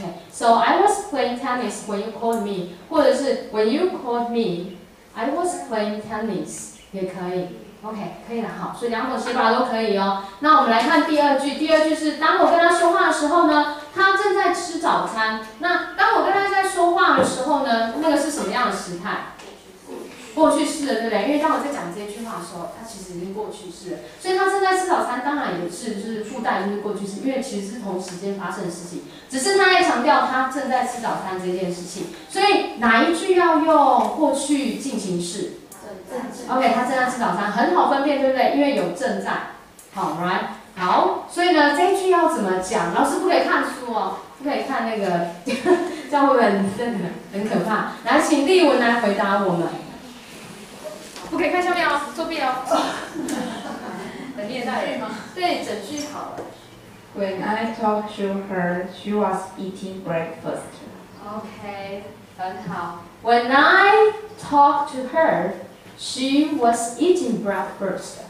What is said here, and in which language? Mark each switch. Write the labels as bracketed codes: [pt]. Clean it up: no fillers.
[en] So I was playing tennis when you called me. [zh] 或者是 [en] when you called me, I was playing tennis. [zh] 也可以。 OK, 可以了。好，所以两种写法都可以哦。那我们来看第二句。第二句是当我跟他说话的时候呢，他正在吃早餐。那当我跟他在说话的时候呢，那个是什么样的时态？过去式的，对不对？因为当我在讲这句话的时候，它其实已经过去式了，所以他正在吃早餐，当然也是就是附带就是过去式，因为其实是同时间发生的事情，只是他在强调他正在吃早餐这件事情。所以哪一句要用过去进行式？正在。 OK, 他正在吃早餐，很好分辨，对不对？因为有正在。好 ，right。好，所以呢，这一句要怎么讲？老师不可以看书哦，不可以看那个，这样会很真的很可怕。来，请立文来回答我们。不可以看下面哦，作弊哦。很变态吗？对，整句好了。 [en] When I talked to her, she was eating breakfast. [zh] OK, 很好。 [en] When I talked to her, she was eating breakfast.